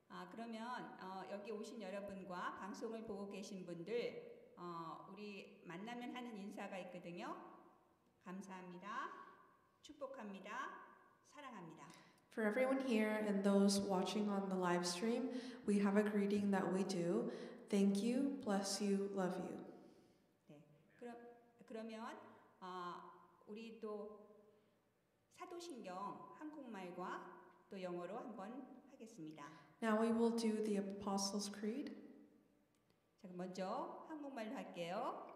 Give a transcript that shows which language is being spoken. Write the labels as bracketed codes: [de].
[ko] 그러면 여기 오신 여러분과 방송을 보고 계신 분들 우리 만나면 하는 인사가 있거든요. 감사합니다. 축복합니다. 사랑합니다. [en] For everyone here and those watching on the live stream, we have a greeting that we do. Thank you, bless you, love you. [ko] 네. 그러면 우리 또 사도신경 한국말과 또 영어로 한번 하겠습니다. [en] Now we will do the Apostles' Creed. [ko] 자, 먼저 한국말로 할게요.